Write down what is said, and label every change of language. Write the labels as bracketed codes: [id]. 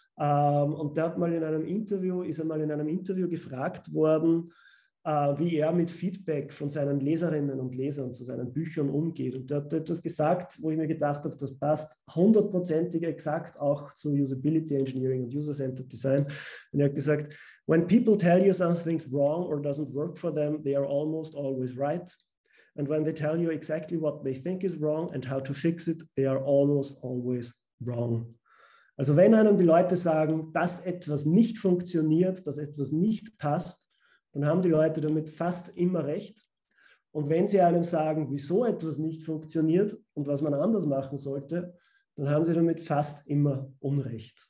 [de] Und der hat mal in einem Interview, ist er mal in einem Interview gefragt worden, wie er mit Feedback von seinen Leserinnen und Lesern zu seinen Büchern umgeht. Und er hat etwas gesagt, wo ich mir gedacht habe, das passt hundertprozentig exakt auch zu Usability Engineering und User-Centered Design. Und er hat gesagt, [en] when people tell you something's wrong or doesn't work for them, they are almost always right. And when they tell you exactly what they think is wrong and how to fix it, they are almost always wrong. [de] Also wenn einem die Leute sagen, dass etwas nicht funktioniert, dass etwas nicht passt, dann haben die Leute damit fast immer recht. Und wenn sie einem sagen, wieso etwas nicht funktioniert und was man anders machen sollte, dann haben sie damit fast immer Unrecht.